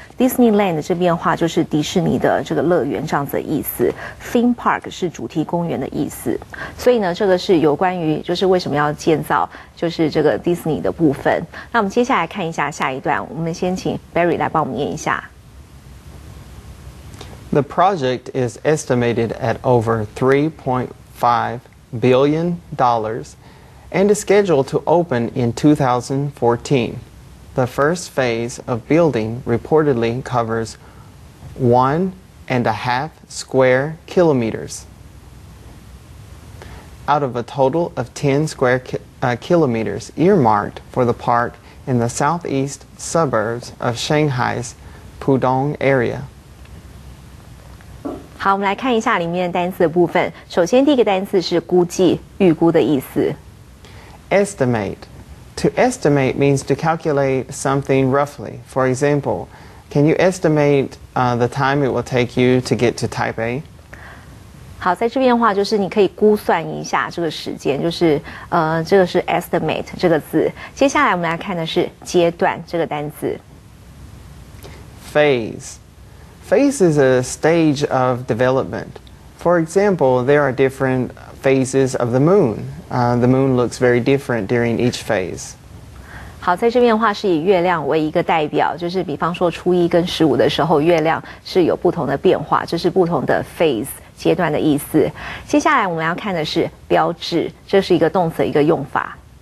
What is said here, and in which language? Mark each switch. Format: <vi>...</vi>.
<zh>Disneyland 这边话就是迪士尼的这个乐园这样子的意思， theme park 是主题公园的意思，所以呢这个是有关于就是为什么要建造就是这个 Disney 的部分。那我们接下来看一下下一段，我们先请 Barry 来帮我们念一下。</zh> <en>The project is estimated at over $3.5 billion and is scheduled to open in 2014. The first phase of building reportedly covers 1.5 square kilometers out of a total of 10 square kilometers earmarked for the park in the southeast suburbs of Shanghai's Pudong area.</en> <zh>好，我们来看一下里面的单词的部分。首先，第一个单词是估计、预估的意思。</zh> <en>Estimate. To estimate means to calculate something roughly. For example, can you estimate the time it will take you to get to Taipei?</en> <zh>好，在这边的话就是你可以估算一下这个时间，就是这个是 estimate 这个字。接下来我们来看的是阶段这个单字。</zh> <en>Phase. Phase is a stage of development. For example, there are different phases of the moon. The moon looks very different during each phase.</en> <zh>好，在这边的话是以月亮为一个代表，就是比方说初一跟十五的时候，月亮是有不同的变化，这是不同的 phase 阶段的意思。接下来我们要看的是标志，这是一个动词，一个用法。</zh>